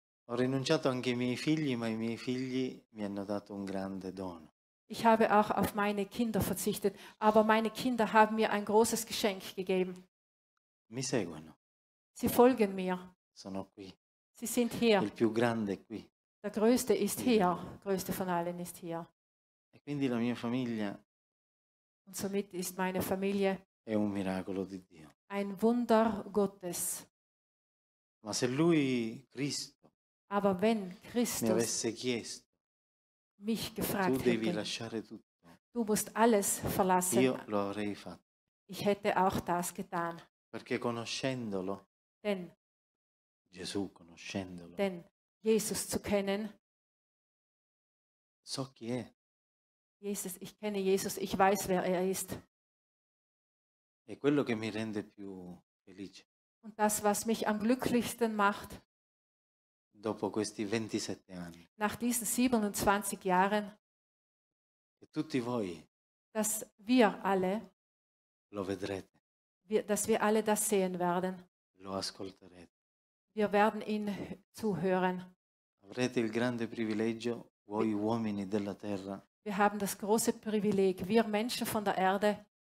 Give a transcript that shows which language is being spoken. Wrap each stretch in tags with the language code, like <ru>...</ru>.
<it>Ho rinunciato anche ai miei figli, ma i miei figli mi hanno dato un grande dono.</it> <de>Ich habe auch auf meine Kinder verzichtet, aber meine Kinder haben mir ein großes Geschenk gegeben.</de> <it>Mi seguono.</it> <de>Sie folgen mir.</de> <it>Sono qui.</it> <de>Sie sind hier.</de> <it>Il più grande è qui.</it> <de>Der Größte ist hier. Größte von allen ist hier.</de> <it>Quindi la mia famiglia</it> <de>und somit ist meine Familie</de> <it>è un miracolo di Dio.</it> <de>Ein Wunder Gottes.</de> <it>Ma se lui Cristo,</it> <de>aber wenn Christus</de> <it>mi avesse chiesto,</it> <de>mich gefragt</de> <it>tu devi</it> <de>hätte,</de> <it>lasciare tutto,</it> <de>du musst alles verlassen,</de> <it>io lo avrei fatto.</it> <de>Ich hätte auch das getan.</de> <it>Perché conoscendolo,</it> <de>denn</de> <it>Gesù conoscendolo,</it> <de>denn Jesus zu kennen,</de> <it>so chi è.</it> <de>Jesus, ich kenne Jesus, ich weiß, wer er ist.</de> <it>È quello che mi rende più felice.</it> <de>Und das, was mich am glücklichsten macht,</de> <it>dopo questi 27 anni,</it> <de>nach diesen 27 Jahren,</de> <it>che tutti voi,</it> <de>dass wir alle,</de> <it>lo vedrete,</it> <de>dass wir alle das sehen werden,</de> <it>lo ascolterete,</it> <de>wir werden ihn zuhören,</de> <it>avrete il grande privilegio, voi uomini della terra,</it> <de>wir haben das große Privileg, wir Menschen von der Erde,</de>